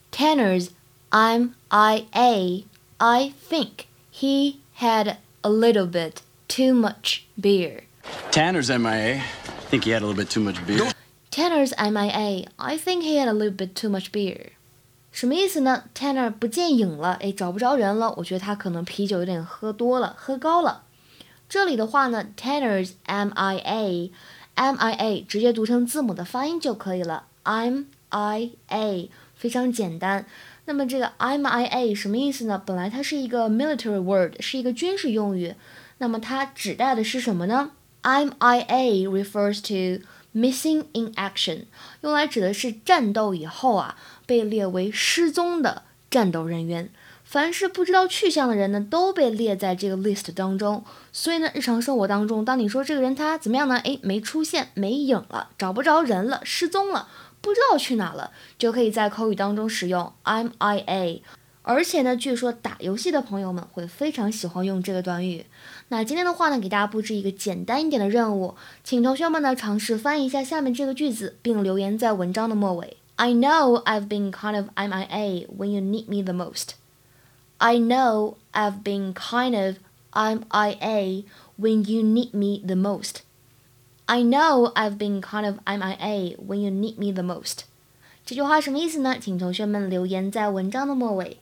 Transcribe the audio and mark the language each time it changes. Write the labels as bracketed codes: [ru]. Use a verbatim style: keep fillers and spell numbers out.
[en] Tanner's M I A. I think he had a little bit too much beer. Tanner's M I A. I think he had a little bit too much beer. Tanner's M I A. I think he had a little bit too much beer. [zh] 什么意思呢？ Tanner 不见影了，哎，找不着人了。我觉得他可能啤酒有点喝多了，喝高了。这里的话呢 [en] Tanner's M I A [zh] M I A 直接读成字母的发音就可以了 M I A 非常简单。那么这个 M I A 什么意思呢？本来它是一个 [en] military word， [zh] 是一个军事用语，那么它指代的是什么呢？ [en] M I A refers to missing in action， [zh] 用来指的是战斗以后啊被列为失踪的战斗人员，凡是不知道去向的人呢，都被列在这个 list 当中。所以呢，日常生活当中，当你说这个人他怎么样呢？诶，没出现，没影了，找不着人了，失踪了，不知道去哪了，就可以在口语当中使用 M I A。而且呢，据说打游戏的朋友们会非常喜欢用这个短语。那今天的话呢，给大家布置一个简单一点的任务，请同学们呢尝试翻译一下下面这个句子，并留言在文章的末尾。 [en] I know I've been kind of M I A when you need me the most. I know I've been kind of M I A when you need me the most. I know I've been kind of M I A when you need me the most. [zh] 这句话什么意思呢？请同学们留言在文章的末尾。